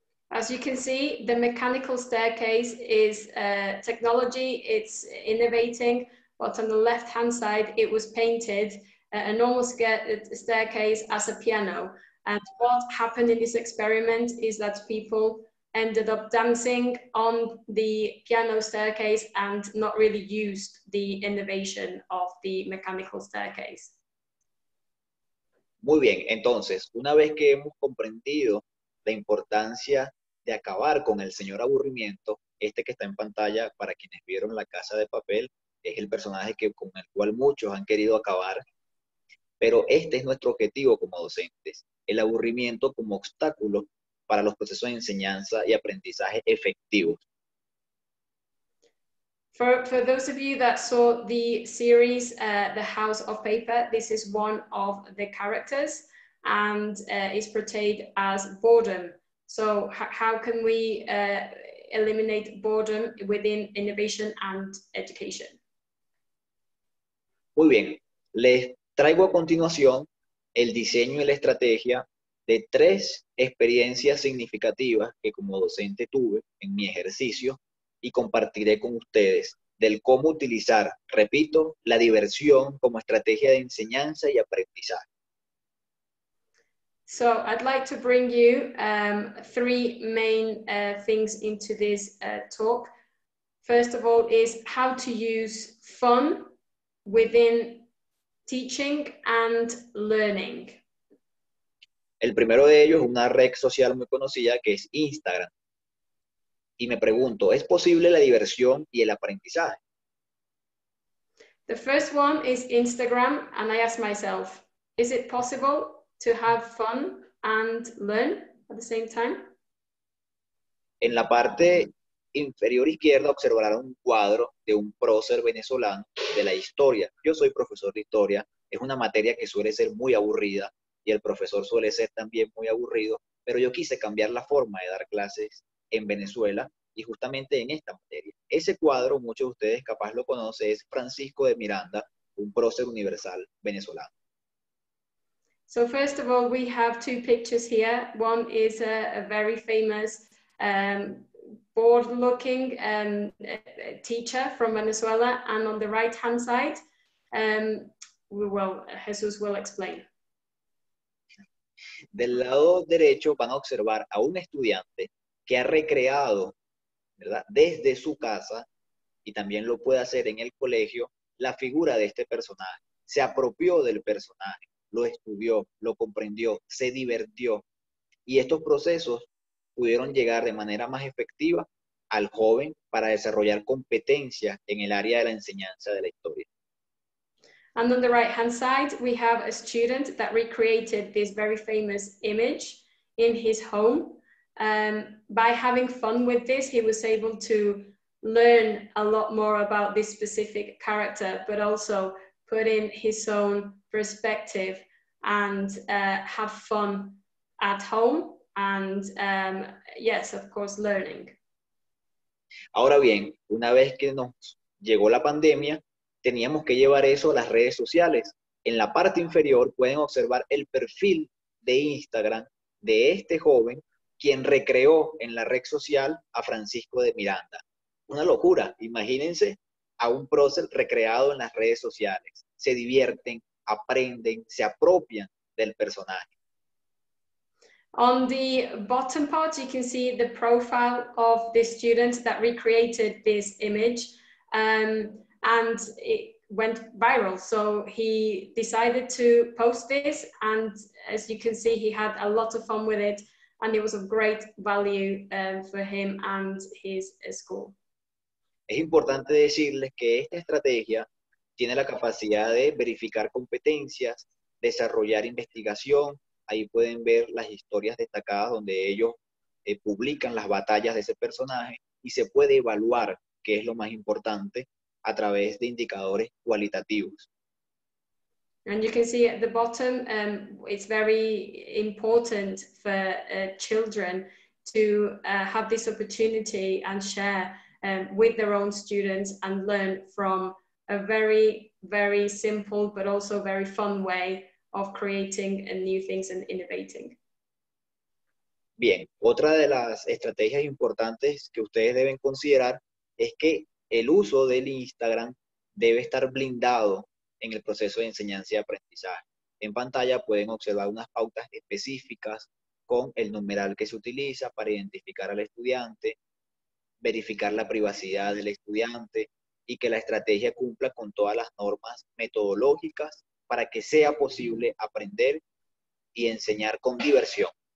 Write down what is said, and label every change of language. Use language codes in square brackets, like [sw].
[en] As you can see, the mechanical staircase is technology, it's innovating, but on the left hand side it was painted a normal staircase as a piano. And what happened in this experiment is that people ended up dancing on the piano staircase and not really used the innovation of the mechanical staircase. [es] Muy bien, entonces, una vez que hemos comprendido la importancia de acabar con el señor aburrimiento, este que está en pantalla, para quienes vieron La Casa de Papel, es el personaje que, con el cual muchos han querido acabar, pero este es nuestro objetivo como docentes, el aburrimiento como obstáculo para los procesos de enseñanza y aprendizaje efectivos. [en] For those of you that saw the series The House of Paper, this is one of the characters and is portrayed as boredom. So how can we eliminate boredom within innovation and education? [es] Muy bien. Les traigo a continuación el diseño y la estrategia de tres experiencias significativas que como docente tuve en mi ejercicio y compartiré con ustedes del cómo utilizar, repito, la diversión como estrategia de enseñanza y aprendizaje. [en] So, I'd like to bring you three main things into this talk. First of all is how to use fun within teaching and learning. [es] El primero de ellos es una red social muy conocida que es Instagram. Y me pregunto, ¿es posible la diversión y el aprendizaje? [en] The first one is Instagram, and I ask myself, is it possible to have fun and learn at the same time? [es] En la parte inferior izquierda observarán un cuadro de un prócer venezolano de la historia. Yo soy profesor de historia, es una materia que suele ser muy aburrida. Y el profesor suele ser también muy aburrido, pero yo quise cambiar la forma de dar clases en Venezuela y justamente en esta materia. Ese cuadro, muchos de ustedes capaz lo conocen, es Francisco de Miranda, un prócer universal venezolano. [en] So first of all, we have two pictures here. One is a very famous bored-looking teacher from Venezuela, and on the right-hand side, Jesús will explain. [es] Del lado derecho van a observar a un estudiante que ha recreado, ¿verdad?, desde su casa, y también lo puede hacer en el colegio, la figura de este personaje, se apropió del personaje, lo estudió, lo comprendió, se divirtió. Y estos procesos pudieron llegar de manera más efectiva al joven para desarrollar competencias en el área de la enseñanza de la historia. [en] And on the right-hand side, we have a student that recreated this very famous image in his home. By having fun with this, he was able to learn a lot more about this specific character, but also put in his own perspective and have fun at home and, yes, of course, learning. [es] Ahora bien, una vez que nos llegó la pandemia, teníamos que llevar eso a las redes sociales. En la parte inferior pueden observar el perfil de Instagram de este joven, quien recreó en la red social a Francisco de Miranda. Una locura, imagínense a un prócer recreado en las redes sociales. Se divierten, aprenden, se apropian del personaje. [en] On the bottom part, you can see the profile of the student that recreated this image. And it went viral. So he decided to post this. And as you can see, he had a lot of fun with it. And it was of great value for him and his school. [es] Es importante decirles que esta estrategia tiene la capacidad de verificar competencias, desarrollar investigación. Ahí pueden ver las historias destacadas donde ellos publican las batallas de ese personaje y se puede evaluar, que es lo más importante, a través de indicadores cualitativos. [en] And you can see at the bottom, it's very important for children to have this opportunity and share with their own students and learn from a very, very simple but also very fun way of creating new things and innovating. [es] Bien, otra de las estrategias importantes que ustedes deben considerar es que el uso del Instagram debe estar blindado en el proceso de enseñanza y aprendizaje. En pantalla pueden observar unas pautas específicas con el numeral que se utiliza para identificar al estudiante, verificar la privacidad del estudiante y que la estrategia cumpla con todas las normas metodológicas para que sea posible aprender y enseñar con diversión.